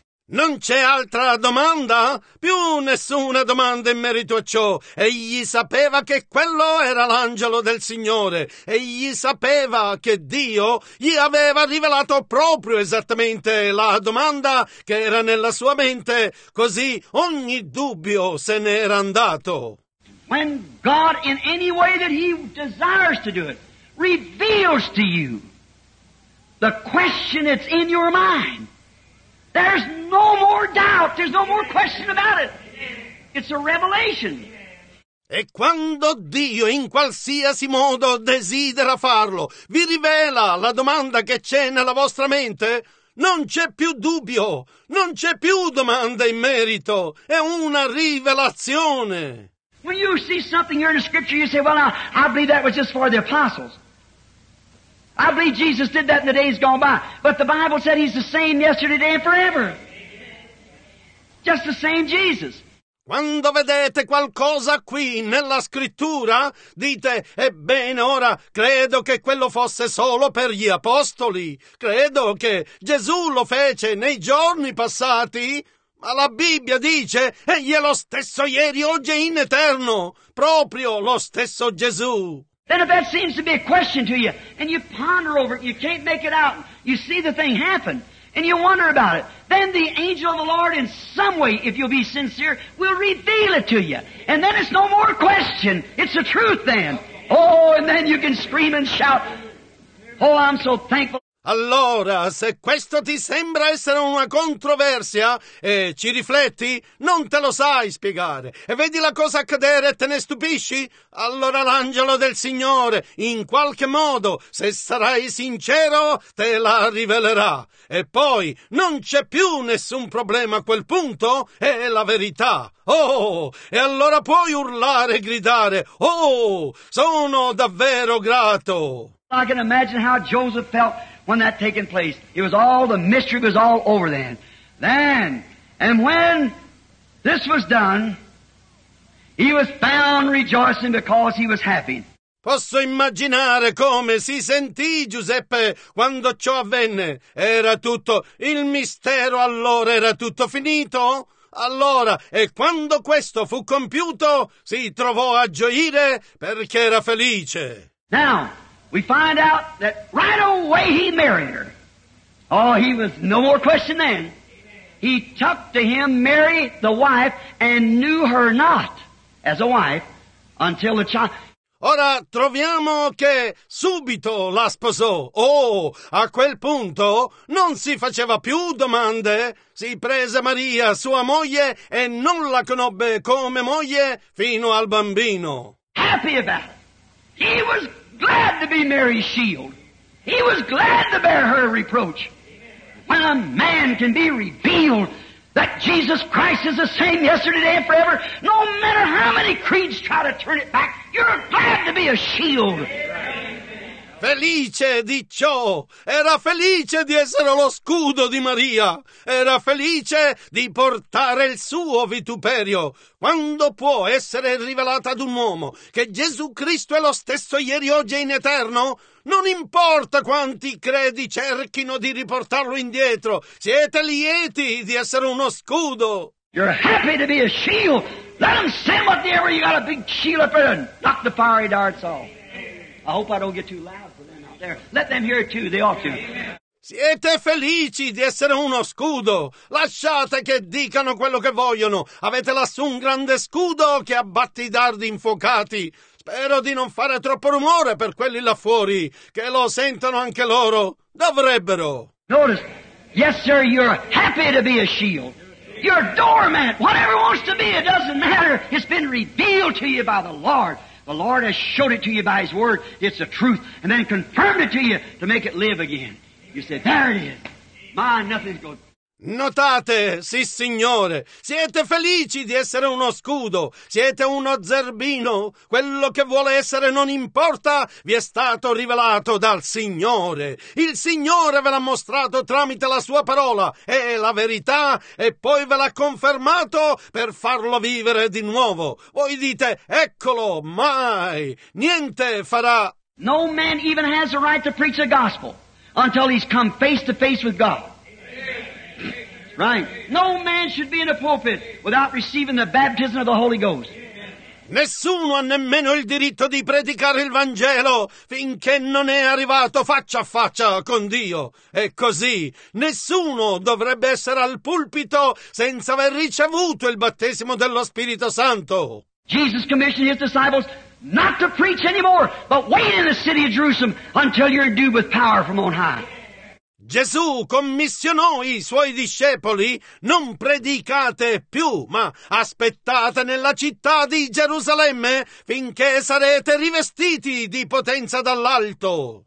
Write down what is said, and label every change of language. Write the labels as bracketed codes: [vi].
[it] Non c'è altra domanda? Più nessuna domanda in merito a ciò. Egli sapeva che quello era l'angelo del Signore. Egli sapeva che Dio gli aveva rivelato proprio esattamente la domanda che era nella sua mente. Così ogni dubbio se n'era andato. [en] When God, in any way that he desires to do it, reveals to you the question that's in your mind, there's no more doubt, there's no more question about it. It's a revelation. [it] E quando Dio in qualsiasi modo desidera farlo, vi rivela la domanda che c'è nella vostra mente, non c'è più dubbio, non c'è più domanda in merito, è una rivelazione. [en] When you see something here in the Scripture, you say, well, I believe that was just for the apostles. I believe Jesus did that in the days gone by. But the Bible said he's the same yesterday, today, and forever. Just the same Jesus. [it] Quando vedete qualcosa qui nella Scrittura, dite, ebbene, ora, credo che quello fosse solo per gli apostoli. Credo che Gesù lo fece nei giorni passati. Ma la Bibbia dice, egli è lo stesso ieri, oggi e in eterno, proprio lo stesso Gesù. [en] Then if that seems to be a question to you, and you ponder over it, you can't make it out, you see the thing happen, and you wonder about it, then the angel of the Lord in some way, if you'll be sincere, will reveal it to you. And then it's no more question, it's the truth then. Oh, and then you can scream and shout, oh, I'm so thankful. [it] Allora, se questo ti sembra essere una controversia, ci rifletti? Non te lo sai spiegare. E vedi la cosa accadere e te ne stupisci? Allora l'angelo del Signore, in qualche modo, se sarai sincero, te la rivelerà. E poi, non c'è più nessun problema a quel punto? È la verità. Oh, e allora puoi urlare e gridare. Oh, sono davvero grato. [en] I can imagine how Joseph felt when that taken place. It was all, the mystery was all over then. Then, and when this was done, he was found rejoicing because he was happy. [it] Posso immaginare come si sentì Giuseppe quando ciò avvenne. Era tutto, il mistero allora era tutto finito? Allora, e quando questo fu compiuto, si trovò a gioire perché era felice. [en] Now, we find out that right away he married her. Oh, he was no more question then. He took to him Mary, the wife, and knew her not as a wife until the child. [it] Ora troviamo che subito la sposò. Oh, a quel punto non si faceva più domande. Si prese Maria, sua moglie, e non la conobbe come moglie fino al bambino. [en] Happy about it. He was glad to be Mary's shield. He was glad to bear her reproach. When a man can be revealed that Jesus Christ is the same yesterday, today, and forever, no matter how many creeds try to turn it back, you're glad to be a shield. [it] Felice di ciò, era felice di essere lo scudo di Maria, era felice di portare il suo vituperio. Quando può essere rivelata ad un uomo che Gesù Cristo è lo stesso ieri, oggi e in eterno? Non importa quanti credi cerchino di riportarlo indietro, siete lieti di essere uno scudo. [en] You're happy to be a shield. Let them send what they ever, you got a big shield up there and knock the fiery darts off. I hope I don't get too loud for them out there. Let them hear it too, they ought to. [it] Siete felici di essere uno scudo. Lasciate che dicano quello che vogliono. Avete lassù un grande scudo che abbatte i dardi infuocati. Spero di non fare troppo rumore per quelli là fuori, che lo sentono anche loro. Dovrebbero. [en] Notice, yes sir, you're happy to be a shield. You're dormant. Whatever wants to be, it doesn't matter. It's been revealed to you by the Lord. The Lord has showed it to you by His Word, it's the truth, and then confirmed it to you to make it live again. You said, there it is. My, nothing's going. [it] Notate, sì signore, siete felici di essere uno scudo, siete uno zerbino, quello che vuole essere non importa, vi è stato rivelato dal Signore. Il Signore ve l'ha mostrato tramite la sua parola e la verità e poi ve l'ha confermato per farlo vivere di nuovo. Voi dite, eccolo, mai, niente farà. [en] No man even has the right to preach the gospel until he's come face to face with God. Right. No man should be in a pulpit without receiving the baptism of the Holy Ghost. [it] Nessuno ha nemmeno il diritto di predicare il Vangelo finché non è arrivato faccia a faccia con Dio. E così, nessuno dovrebbe essere al pulpito senza aver ricevuto il battesimo dello Spirito Santo. [en] Jesus commissioned his disciples not to preach anymore, but wait in the city of Jerusalem until you're endued with power from on high. [it] Gesù commissionò i suoi discepoli, non predicate più, ma aspettate nella città di Gerusalemme finché sarete rivestiti di potenza dall'alto.